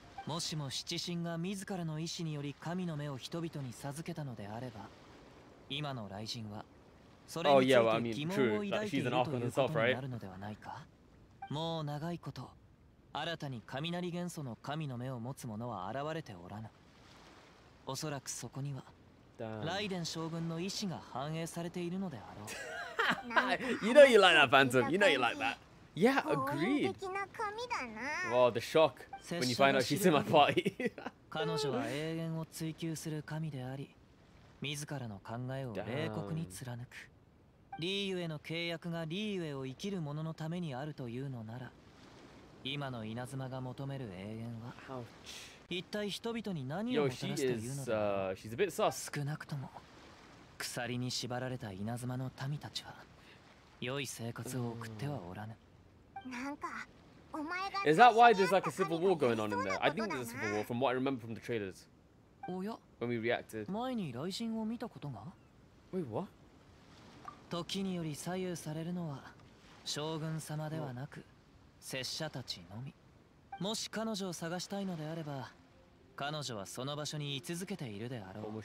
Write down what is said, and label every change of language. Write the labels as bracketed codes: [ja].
[ja] もしも七神が自らの意志により神の目を人々に授けたのであれば、今の雷神はそれについて疑問を抱いているということになるのではないか。もう長いこと新たに雷元素の神の目を持つ者は現れておらぬ。おそらくそこには雷電将軍の意志が反映されているのであろう。 [en] You know you like that, Phantom. You know you like that. Yeah, agreed. Wow, the shock when you find out she's in my party. [ja] 彼女は永遠を追求する神であり、自らの考えを冷酷に貫く。リーユへの契約がリーユへを生きる者のためにあるというのなら、今の稲妻が求める永遠は、 [en] Ouch. [ja] 一体人々に何をもたらすというのだ。 [en] She's a bit sus. [ja] 少なくとも鎖に縛られた稲妻の民たちは良い生活を送ってはおらぬ。なんかお前が。 [en] Is that why there's like a civil war going on in there? I think there's a civil war from what I remember from the trailers. [ja] おや。 [en] When we reacted. [ja] 前に雷神を見たことが。 [en] Wait, what? [ja] 時により左右されるのは将軍様ではなく拙者たちのみ。もし彼女を探したいのであれば、彼女はその場所に居続けているであろう。